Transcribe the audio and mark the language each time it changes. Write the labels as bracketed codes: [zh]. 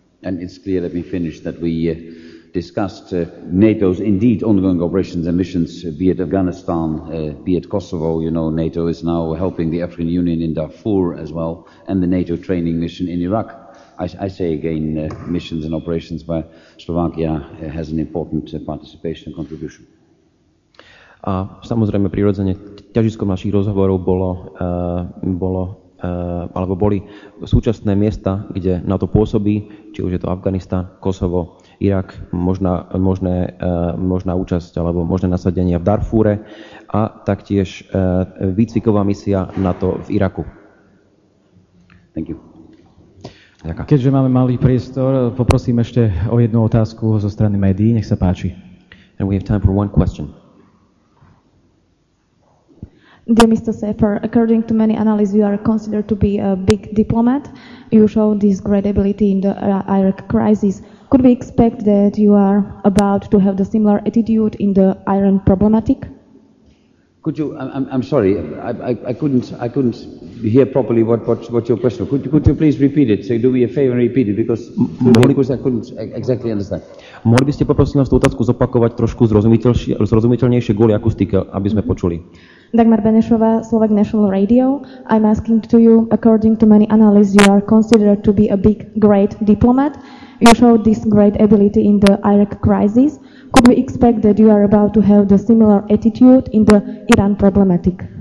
[en] And it's clear, let me finish, that we discussed NATO's indeed ongoing operations and missions, be it Afghanistan, be it Kosovo. You know, NATO is now helping the African Union in Darfur as well, and the NATO training mission in Iraq. I say again, missions and operations where Slovakia has an important participation and contribution. [sk] A samozrejme prirodzene ťažiskom našich rozhovorov boli súčasné miesta, kde NATO pôsobí, či už je to Afganistan, Kosovo, Irak, možná účasť alebo možné nasadenie v Darfúre a taktiež výcviková misia NATO v Iraku. [en] Thank you. [sk] Ďaká. Keďže máme malý priestor, poprosím ešte o jednu otázku zo strany médií, nech sa páči. [en] And we have time for one question. Dear Mr. Safer, according to many analysts, you are considered to be a big diplomat. You show this great ability in the Iraq crisis. Could we expect that you are about to have the similar attitude in the Iran problematic? Could you? I'm sorry. I couldn't hear properly what your question. Could you please repeat it? So do me a favor and repeat it because I couldn't exactly understand. [sk] Mohli by ste poprosiť nás tú otázku zopakovať trošku zrozumiteľnejšie kvôli akustike, aby sme počuli. [en] Dagmar Benešová, Slovak National Radio. I'm asking to you, according to many analysts, you are considered to be a big, great diplomat. You showed this great ability in the Iraq crisis. Could we expect that you are about to have the similar attitude in the Iran problematic?